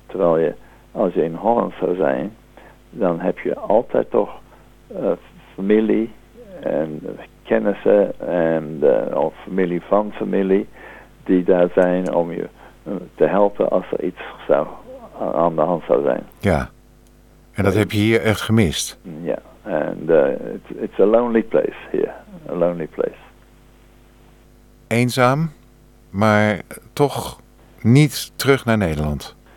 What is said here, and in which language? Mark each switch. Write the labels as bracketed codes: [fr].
[nl] Terwijl als je in Holland zou zijn, dan heb je altijd toch familie en kennissen of familie van familie die daar zijn om je te helpen als er iets aan de hand zou zijn. Ja. En dat heb je hier echt gemist. [en] Ja, and it's a lonely place here. A lonely place. [nl] Eenzaam, maar toch niet terug naar Nederland.